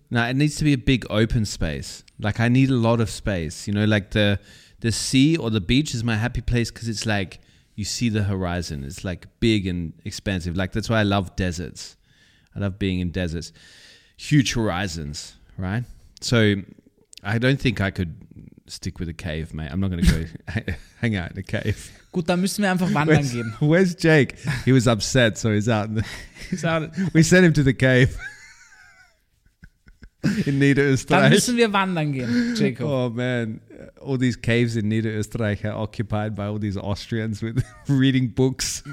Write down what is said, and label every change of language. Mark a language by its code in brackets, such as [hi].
[en] No, it needs to be a big open space. Like I need a lot of space. You know, like the sea or the beach is my happy place because it's like, you see the horizon. It's like big and expansive. Like that's why I love deserts. I love being in deserts. Huge horizons, right? So I don't think I could stick with a cave, mate. I'm not going to go hang out in a cave. [de] Gut, dann müssen wir einfach wandern gehen. [en] Where's Jake? He was upset, so he's out. He's out. We sent him to the cave. [de] In Niederösterreich. Dann müssen wir wandern gehen, Jacob. [en] Oh man, all these caves in Niederösterreich are occupied by all these Austrians with reading books.